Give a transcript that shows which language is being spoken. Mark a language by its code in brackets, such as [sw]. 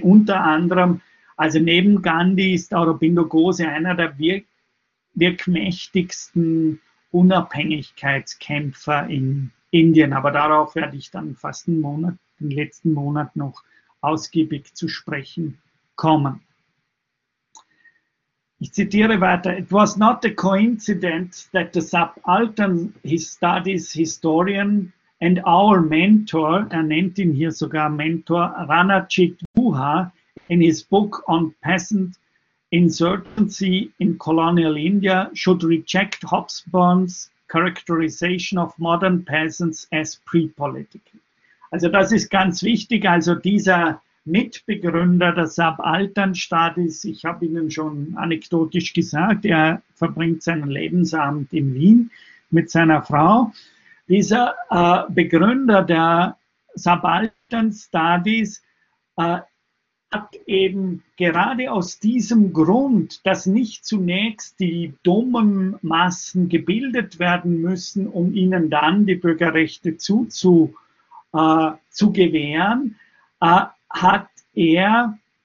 [de] Unter anderem, also neben Gandhi ist Aurobindo Ghose einer der wirkmächtigsten Unabhängigkeitskämpfer in Indien. Aber darauf werde ich dann fast einen Monat, den letzten Monat noch ausgiebig zu sprechen kommen. Ich zitiere weiter, [en] it was not a coincidence that the subaltern, his studies historian and our mentor, [de] er nennt ihn hier sogar Mentor, [en] Ranajit Guha, in his book on peasant insurgency in colonial India, should reject Hobsbawm's characterization of modern peasants as pre-political. [de] Also das ist ganz wichtig, also dieser Mitbegründer der Subaltern-Studies, ich habe Ihnen schon anekdotisch gesagt, er verbringt seinen Lebensabend in Wien mit seiner Frau. Dieser Begründer der Subaltern-Studies hat eben gerade aus diesem Grund, dass nicht zunächst die dummen Massen gebildet werden müssen, um ihnen dann die Bürgerrechte zu gewähren, hat er